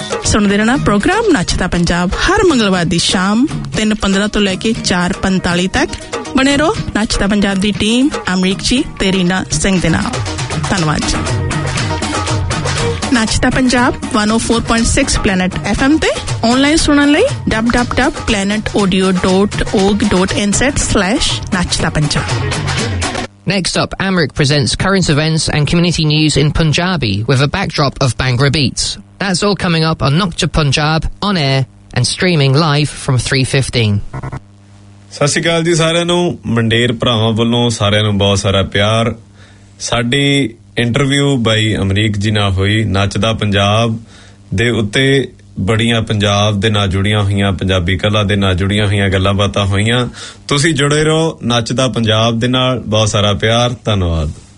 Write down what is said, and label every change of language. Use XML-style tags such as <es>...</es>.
<pa>ਸੁਣਦੇ ਰਹਿਣਾ ਪ੍ਰੋਗਰਾਮ ਨੱਚਦਾ ਪੰਜਾਬ ਹਰ ਮੰਗਲਵਾਰ ਦੀ ਸ਼ਾਮ 3:15 ਤੋਂ ਲੈ ਕੇ 4:45 ਤੱਕ ਬਣੇ ਰਹੋ ਨੱਚਦਾ ਪੰਜਾਬ ਦੀ ਟੀਮ ਅਮਰੀਕ ਜੀ ਤੇ ਰੀਨਾ ਸਿੰਘ ਦੇ ਨਾਲ ਧੰਨਵਾਦ ਜੀ ਨੱਚਦਾ ਪੰਜਾਬ 104.6 ਪਲੈਨਟ FM ਤੇ ਆਨਲਾਈਨ ਸੁਣਨ ਲਈ www.planetaudio.org.in/ਨੱਚਦਾ Punjab</pa> <en>Next up, Amrik presents current events and community news in Punjabi with a backdrop of Bhangra beats. That's all coming up on Nocta Punjab, on air and streaming live from 3:15.</en> <pa>ਸਤਿ ਸ਼੍ਰੀ ਅਕਾਲ ਜੀ ਸਾਰਿਆਂ ਨੂੰ ਮੰਡੇਰ ਭਰਾਵਾਂ ਵੱਲੋਂ ਸਾਰਿਆਂ ਨੂੰ ਬਹੁਤ ਸਾਰਾ ਪਿਆਰ ਸਾਡੀ ਇੰਟਰਵਿਊ ਬਾਈ ਅਮਰੀਕ ਜੀ ਨਾਲ ਹੋਈ ਨੱਚਦਾ ਪੰਜਾਬ ਦੇ ਉੱਤੇ ਬੜੀਆਂ ਪੰਜਾਬ ਦੇ ਨਾਲ ਜੁੜੀਆਂ ਹੋਈਆਂ ਪੰਜਾਬੀ ਕਲਾ ਦੇ ਨਾਲ ਜੁੜੀਆਂ ਹੋਈਆਂ ਗੱਲਾਂ ਬਾਤਾਂ ਹੋਈਆਂ ਤੁਸੀਂ ਜੁੜੇ ਰਹੋ ਨੱਚਦਾ ਪੰਜਾਬ ਦੇ ਨਾਲ ਬਹੁਤ ਸਾਰਾ ਪਿਆਰ ਧੰਨਵਾਦ</pa>